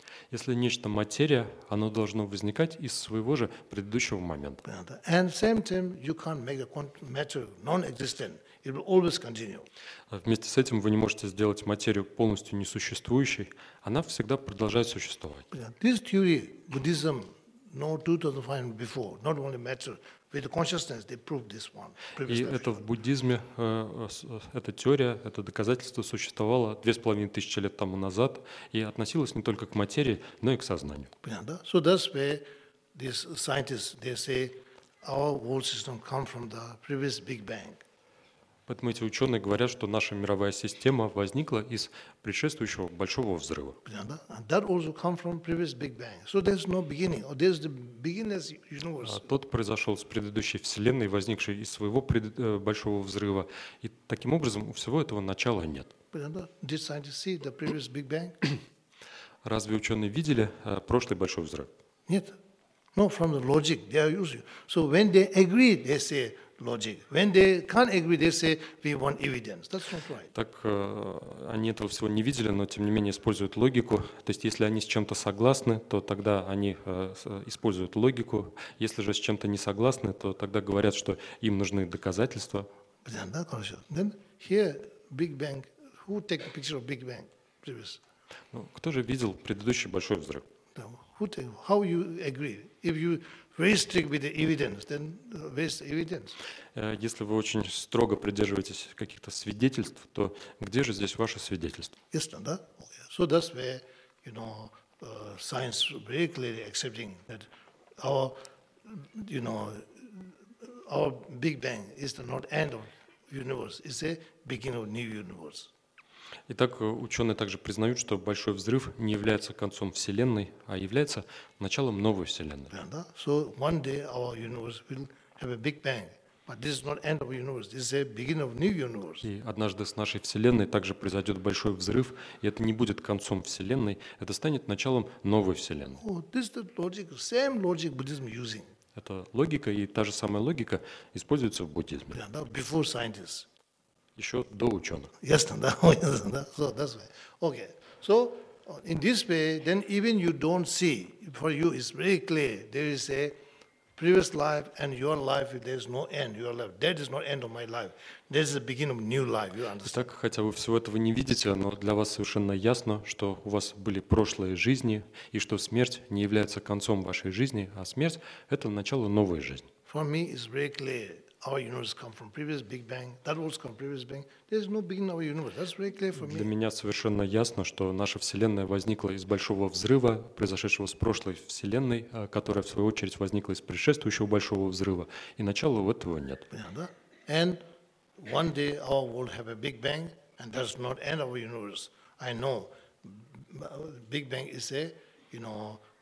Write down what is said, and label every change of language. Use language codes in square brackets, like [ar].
[ru] Если нечто материя, оно должно возникать из своего же предыдущего момента. [en] And same time you can't make a matter non-existent. It will always continue. [ru] Вместе с этим вы не можете сделать материю полностью несуществующей, она всегда продолжает существовать. [en] This theory, Buddhism, no 2005 before, not only matter, with consciousness, they proved this one. [ru] И это в буддизме, эта теория, это доказательство существовало 2500 лет тому назад и относилось не только к материи, но и к сознанию. Понятно, да? [en] So that's where these scientists, they say, our world system come from the previous Big Bang. [ru] Поэтому эти ученые говорят, что наша мировая система возникла из предшествующего большого взрыва. [en] That also come from previous Big Bang. So there's no beginning, or there's the beginning's universe. [ru] Тот произошел с предыдущей вселенной, возникшей из своего большого взрыва, и таким образом у всего этого начала нет. [en] Did scientists see the previous Big Bang? [ru] Разве ученые видели прошлый большой взрыв? Нет. [en] No, from the logic they are using. So when they agree, they say logic. When they can't agree, they say we want evidence. That's not right. [ru] Так они этого всего не видели, но тем не менее используют логику. То есть если они с чем-то согласны, то тогда они используют логику. Если же с чем-то не согласны, то тогда говорят, что им нужны доказательства. [en] Then here Big Bang. Who take a picture of Big Bang? Please. [ru] Ну, кто же видел предыдущий большой взрыв? [en] How you agree? If you very strict with the evidence, then where's the evidence? [ru] Если вы очень строго придерживаетесь каких-то свидетельств, то где же здесь ваше свидетельство? [en] Yes, no, that? Okay. So that's where, you know, science very clearly accepting that our, you know, our Big Bang is the not end of universe, it's a beginning of new universe. [ru] Итак, ученые также признают, что большой взрыв не является концом Вселенной, а является началом новой Вселенной. [en] Yeah, so one day our universe will have a big bang, but this is not end of universe, this is a beginning of new universe. [ru] И однажды с нашей Вселенной также произойдет большой взрыв, и это не будет концом Вселенной, это станет началом новой Вселенной. [en] Oh, this is the logic, same logic Buddhism using. [ru] Это логика, и та же самая логика используется в буддизме. [en] Yeah, before scientists. [ru] Еще до ученых. [en] Yes, [ru] да, [en] yes, да. So that's why. Okay. So in this way, then even you don't see, for you it's very clear. There is a previous life and your life. There is no end. Your life. That is not end of my life. This is the beginning of new life. You understand? [ru] Итак, хотя вы всего этого не видите, но для вас совершенно ясно, что у вас были прошлые жизни и что смерть не является концом вашей жизни, а смерть – это начало новой жизни. [en] For me, it's very clear. Our universe come from previous Big Bang. That also come previous Bang. There's no beginning of our universe. That's very clear for me. [ru] Для меня совершенно ясно, что наша вселенная возникла из большого взрыва, произошедшего с прошлой вселенной, которая в свою очередь возникла из предшествующего большого взрыва, и начала у этого нет. [en] And one day our world have a Big Bang, and that's not end of our universe. I know Big Bang is a, you know.